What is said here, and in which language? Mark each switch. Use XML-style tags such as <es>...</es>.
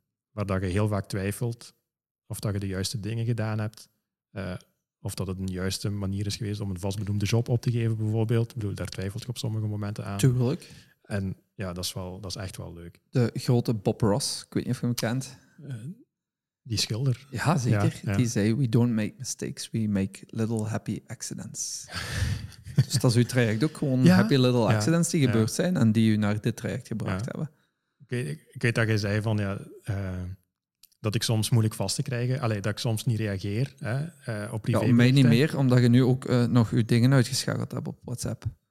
<nl>Waar dat je heel vaak twijfelt of dat je de juiste dingen gedaan hebt. Of dat het een juiste manier is geweest om een vastbenoemde job op te geven, bijvoorbeeld. Ik bedoel, daar twijfelt je op sommige momenten aan. Tuurlijk. En ja, dat is echt wel leuk. De grote Bob Ross, ik weet niet of je hem kent. Die schilder. Ja, zeker. Ja, ja. Die zei,</nl> <en>we don't make mistakes, we make little happy accidents.</en> <nl>Dus dat is uw traject ook, gewoon ja,</nl> <en>happy little accidents</en> <nl>die gebeurd zijn en die u naar dit traject gebracht hebben. Ik weet dat jij zei van ja, dat ik soms moeilijk vast te krijgen. Allee, dat ik soms niet reageer op privé. Ja, mij niet meer, omdat je nu ook nog je dingen uitgeschakeld hebt op WhatsApp.</nl>